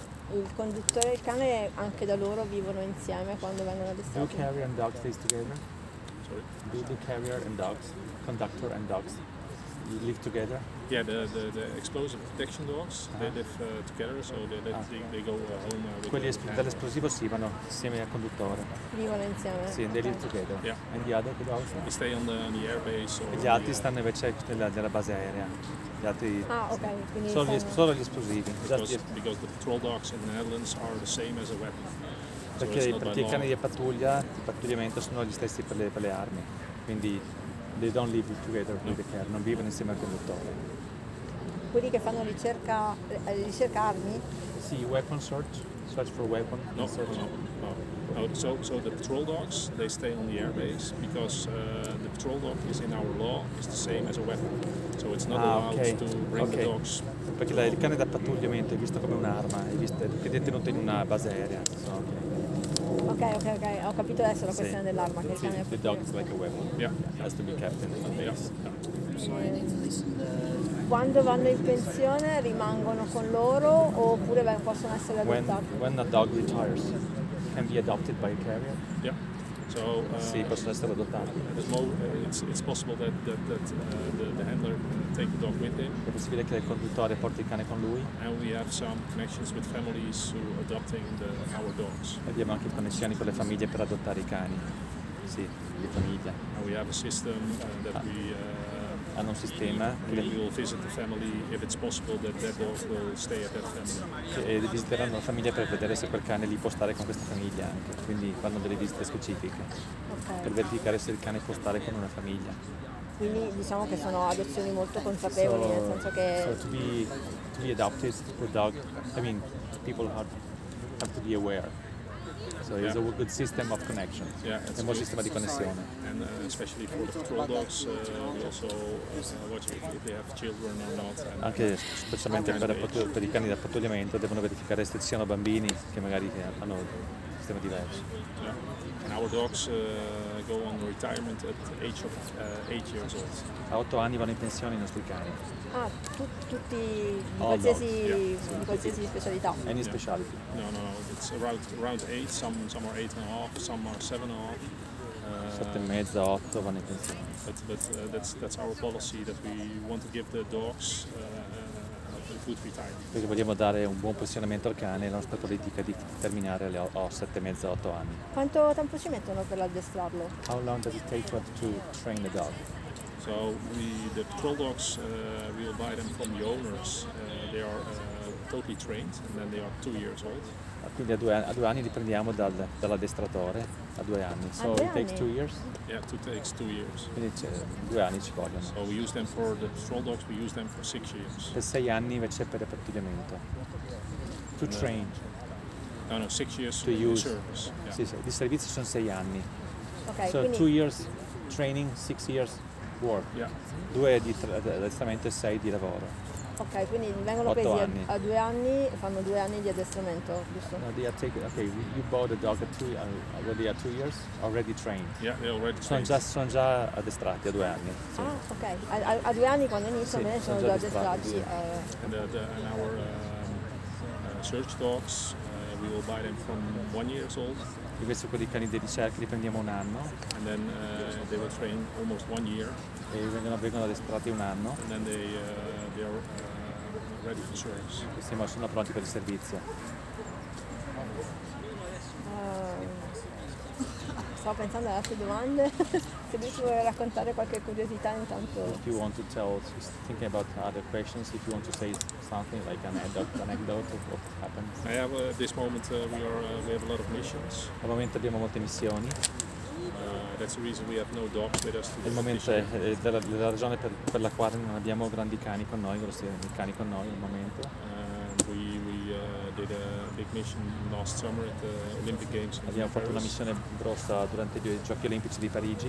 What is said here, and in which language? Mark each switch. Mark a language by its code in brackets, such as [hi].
[it] Il conduttore e il cane anche da loro vivono insieme quando vengono addestrati. [en] Do carrier and dogs live together? Sorry. Do the carrier and dogs, conductor and dogs live together? Yeah, the explosive protection dogs, they live together, so they go home with [it] quelli dell'esplosivo sì, vanno insieme al conduttore. Vivono insieme? [en] Sì, they live together. Yeah. And the other dogs? They stay on the airbase. [it] E gli altri stanno invece nella base aerea. Gli altri, ah, ok. Quindi solo, solo gli esplosivi. [en] Because the patrol dogs in the Netherlands are the same as a weapon. [it] Perché i cani di pattuglia, di pattugliamento, sono gli stessi per le armi. [en] Quindi they don't live together with the car, [it] non vivono insieme al conduttore. Quelli che fanno ricerca armi? [en] Sì, weapon search for weapon. No. So the patrol dogs, they stay on the airbase because the patrol dog is in our law, is the same as a weapon. So it's not allowed to bring the dogs. [it] Perché il cane da pattugliamento è visto come un'arma, è detenuto in una base aerea. [en] So. [it] Ok, ho capito adesso la questione dell'arma. Che il cane è [en] dog is like a weapon. Yeah. Has to be kept in the [it] Quando vanno in pensione rimangono con loro oppure possono essere adottati? [en] When a dog retires, can be adopted by a carrier? Yeah. So, [it] sì, possono essere adottati. [en] It's possible that the handler take the dog with him. [it] È possibile che il conduttore porti il cane con lui. [en] And we have some connections with families who are adopting our dogs. [it] Abbiamo anche connessioni con le famiglie per adottare i cani. Sì, le famiglie. [en] And we have a system that we [it] hanno un sistema che visiteranno la famiglia per vedere se quel cane lì può stare con questa famiglia anche, quindi fanno delle visite specifiche per verificare se il cane può stare con una famiglia. Quindi diciamo che sono adozioni molto consapevoli, nel senso che [en] to be adopted the dog, I mean people have to be aware. So it's a good system of connection. Yeah, [it] è un buon sistema di connessione. [en] And especially for the patrol dogs, we also watch if they have children or not. [it] Anche specialmente per i cani da pattugliamento devono verificare se siano bambini che magari hanno un sistema diverso. [en] Yeah. And our dogs go on retirement at age of 8 years old. [it] A 8 anni vanno in pensione i nostri cani. Ah, tutti in qualsiasi specialità. [en] Any specialty? No. It's around 8, some are 8.5, some are 7.5. [it] 7.5, 8 vanno in pensione. [en] But that's our policy that we want to give the dogs a good retirement. [it] Perché vogliamo dare un buon posizionamento al cane, la nostra politica di terminare alle 7.5, 8 anni. Quanto tempo ci mettono per addestrarlo? [en] How long does it take to train the dog? So the patrol dogs we will buy them from the owners. They are totally trained and then they are 2 years old. [it] Quindi a due anni li prendiamo dall'addestratore a 2 anni. [en] So it takes 2 years? Yeah, it takes 2 years. [it] Quindi 2 anni ci vogliono. [en] So we use them for the patrol dogs, we use them for 6 years. [it] Per 6 anni invece per il pattugliamento. [en] To train. No, 6 years to use. Service. Yeah. [it] Sì, di servizio sono 6 anni. [en] Okay, so 2 years training, 6 years. Work. Yeah. [it] 2 di addestramento e 6 di lavoro. Ok, quindi vengono presi a 2 anni e fanno 2 anni di addestramento, giusto? [en] No, they are taken. Okay, you bought a dog at 2 when they are 2 years already trained. Yeah, they already [it] sono [en] trained. [it] Sono già addestrati a 2 anni. Sì. Ah, ok. A 2 anni quando inizio me ne sono già addestrati. [en] And our search dogs, we will buy them from 1 year old. [it] Invece quelli cani di ricerca li prendiamo un anno [en] and then, they were trained almost 1 year. [it] E vengono addestrati un anno [en] and then they are ready for service. [it] Siamo sono pronti per il servizio. Stavo pensando alle altre domande. Se lui ci vuole raccontare qualche curiosità intanto. [en] If you want to tell, just thinking about other questions, if you want to say something like an anecdote of what happened. I have this moment we have a lot of missions. [it] Al momento abbiamo molte missioni. [en] That's the reason we have no dogs with us. [it] Il momento è la ragione per la quale non abbiamo grandi cani con noi, grossi cani con noi al momento. [en] Did a big mission last summer at the Olympic Games. [it] Abbiamo fatto una missione grossa durante i Giochi Olimpici di Parigi.